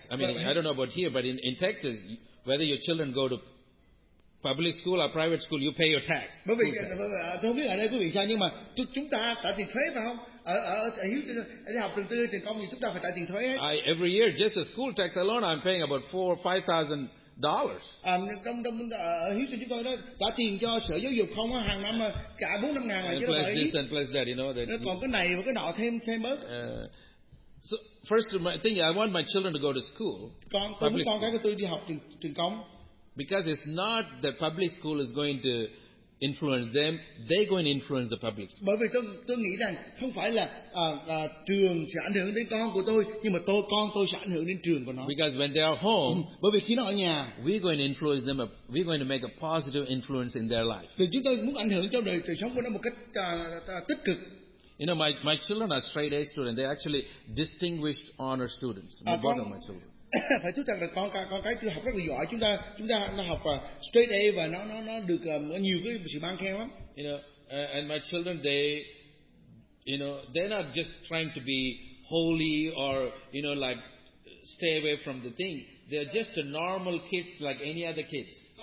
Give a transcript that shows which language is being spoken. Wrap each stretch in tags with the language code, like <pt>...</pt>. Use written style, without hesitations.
<en>I mean, I don't know about here, but in Texas, whether your children go to public school or private school, you pay your tax.</en> <vi>Bởi vì tôi không biết ở đây quý vị sao, nhưng mà chúng ta trả tiền thuế phải không? Ở Houston, đi học trường tư, trường công thì chúng ta phải trả tiền thuế hết.</vi> <en>Every year, just the school tax alone, I'm paying about $4,000 to $5,000.</en> <vi>Ở Houston chúng tôi đó trả tiền cho sở giáo dục không á, hàng năm cả 4-5 ngàn rồi chứ đâu phải.</vi> <en>Plus this and plus that, you know.</en> <vi>Nó còn cái này và cái nọ thêm bớt.</vi> <en>So first thing, I want my children to go to school.</en> <vi>Con tôi muốn con cái của tôi đi học trường công.</vi> <en>Because it's not that public school is going to influence them; they're going to influence the public school.</en> <vi>Bởi vì tôi nghĩ rằng không phải là trường sẽ ảnh hưởng đến con của tôi, nhưng mà con tôi sẽ ảnh hưởng đến trường của nó.</vi> <en>Because when they are home,</en> <vi>bởi vì khi nó ở nhà,</vi> <en>we're going to influence them. We're going to make a positive influence in their life.</en> <vi>Thì chúng tôi muốn ảnh hưởng cho đời sống của nó một cách tích cực.</vi> <en>You know, my children are straight A students. They're actually distinguished honor students. My bottom my children.</en> <vi>Phải thú thật là con cái tôi học rất là giỏi, chúng ta nó học straight A và nó được nhiều cái sự ban khen lắm.</vi> <en>You know, and my children, they, you know, they're not just trying to be holy or, you know, like stay away from the thing. They're just a normal kids like any other kids.</en>